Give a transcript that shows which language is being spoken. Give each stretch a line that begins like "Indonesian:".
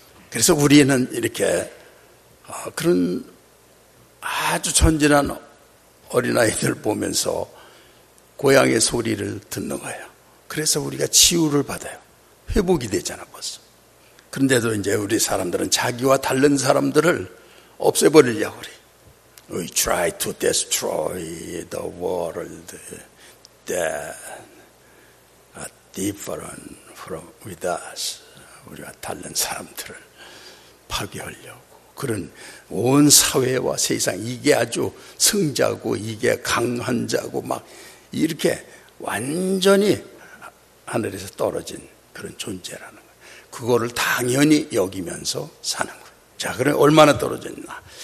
Korean: 그래서 우리는 이렇게 그런 아주 전진한 어린아이들 보면서 고향의 소리를 듣는 거예요. 그래서 우리가 치유를 받아요. 회복이 되잖아, 벌써. 그런데도 이제 우리 사람들은 자기와 다른 사람들을 없애버리려고 그래.
English: We try to destroy the world that are different from with us.
Korean: 우리가 다른 사람들을 파괴하려고. 그런 온 사회와 세상, 이게 아주 승자고, 이게 강한자고, 막, 이렇게 완전히 하늘에서 떨어진 그런 존재라는 거예요. 그거를 당연히 여기면서 사는 거예요. 자, 그럼 얼마나 떨어졌나.